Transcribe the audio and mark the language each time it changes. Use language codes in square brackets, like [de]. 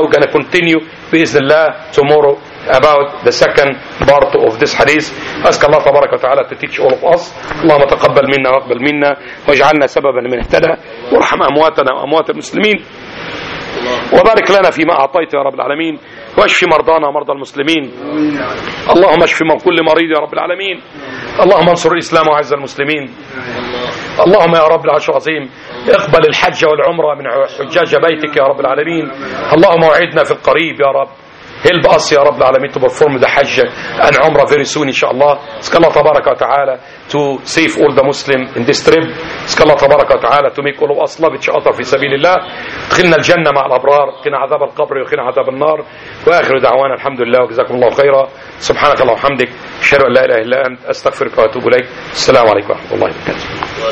[en] We're going to continue biiznillah tomorrow about the second part of this hadith. Ask Allah tabaraka wa ta'ala to teach all of us. [ar] Allahumma taqabbal minna wa aqbal minna wa ij'alna sababan min ihtada wa rahma amwatana wa amwat al-muslimin وبارك لنا فيما أعطيت يا رب العالمين واشف مرضانا ومرضى المسلمين. اللهم اشف من كل مريض يا رب العالمين. اللهم انصر الإسلام وعز المسلمين. اللهم يا رب العرش العظيم اقبل الحج والعمرة من حجاج بيتك يا رب العالمين. اللهم وعدنا في القريب يا رب. [en] Help us, [ar] يا رب العالمين, [en] to perform the Hajj and Umrah very soon, inshallah. Ask Allah تبارك وتعالى to save all the Muslims in this trip. Ask Allah تبارك وتعالى to make all of us love each other [ar] في سبيل الله. دخلنا الجنة مع الأبرار, قنا عذاب القبر وقنا عذاب النار. وآخر دعوانا الحمد لله وجزاكم الله خيرا. سبحانك اللهم وحمدك, أشهد أن لا إله إلا أنت, أستغفرك وأتوب إليك. السلام عليكم ورحمة الله وبركاته.